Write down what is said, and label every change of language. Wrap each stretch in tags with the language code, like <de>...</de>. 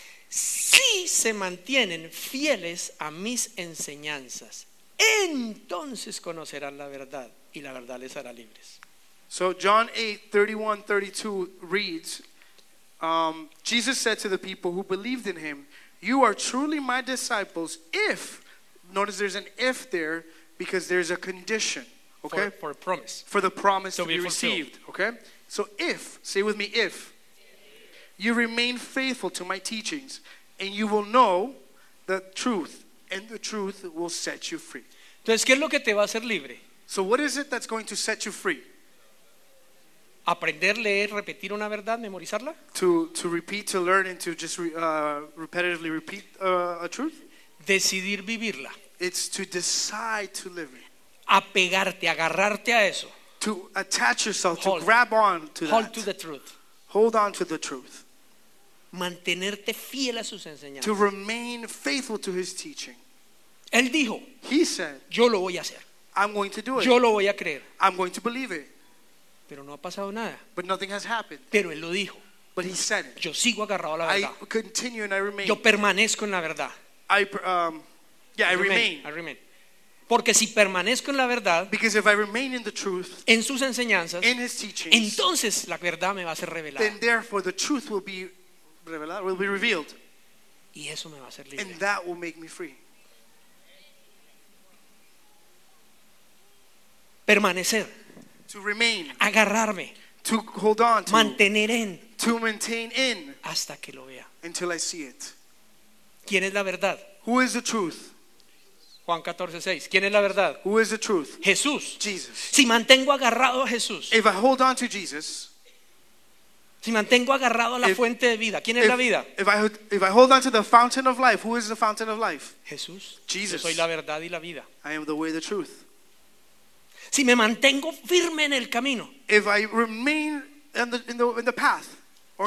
<es>Si se mantienen fieles a mis enseñanzas, entonces conocerán la verdad y la verdad les hará libres.</es> <en>So John 8:31-32 reads, Jesus said to the people who believed in him, you are truly my disciples if, notice there's an if there, because there's a condition, okay? For a promise. For the promise to be received, okay? So if, say with me, if you remain faithful to my teachings, and you will know the truth, and the truth will set you free.</en> <es>Entonces, ¿qué es lo que te va a hacer libre?</es> <en>So what is it that's going to set you free?</en> <es>Aprender, leer, repetir una verdad, memorizarla.</es> <en>To repeat, to learn, and to just repetitively repeat a truth.</en> <es>Decidir vivirla.</es> <en>It's to decide to live it.</en> <es>Apegarte, agarrarte a eso.</es> <en>To attach yourself, to grab on to that. Hold to the truth. Hold on to the truth.</en> <es>Mantenerte fiel a sus enseñanzas.</es> <en>To remain faithful to his teaching.</en> <es>Él dijo,</es> <en>he said,</en> <es>yo lo voy a hacer.</es> <en>I'm going to do it.</en> <es>Yo lo voy a creer.</es> <en>I'm going to believe it.</en> <es>Pero no ha pasado nada.</es> <en>But nothing has happened.</en> <es>Pero él lo dijo.</es> <en>But he said it.</en> <es>Yo sigo agarrado a la verdad.</es> <en>I continue and I remain.</en> <es>Yo permanezco en la verdad.</es> <en>I remain.</en> <es>Porque si permanezco en la verdad,</es> <en>because if I remain in the truth,</en> <es>en sus enseñanzas,</es> <en>in his teachings,</en> <es>entonces la verdad me va a ser revelada.</es> <en>Then therefore the truth will be revealed, will be revealed.</en> <es>Y eso me va a hacer libre.</es> <en>And that will make me free.</en> <es>Permanecer.</es> <en>To remain.</en> <es>Agarrarme.</es> <en>To hold on. To</en> <es>mantener en.</es> <en>To maintain in.</en> <es>Hasta que lo vea.</es> <en>Until I see it.</en> <es>¿Quién es la verdad?</es> <en>Who is the truth?</en> <es>Juan 14:6. ¿Quién es la verdad?</es> <en>Who is the truth?</en> <es>Jesús.</es> <en>Jesus.</en> <es>Si mantengo agarrado a Jesús.</es> <en>If I hold on to Jesus.</en> <es>Si mantengo agarrado a la fuente de vida. ¿Quién es la vida?</es> <en>If I hold on to the fountain of life, who is the fountain of life?</en> <es>Jesús.</es> <en>Jesus.</en> <es>Yo soy la verdad y la vida.</es> <en>I am the way, the truth.</en> <es>Si me mantengo firme en el camino.</es> <en>If I remain in the path or</en>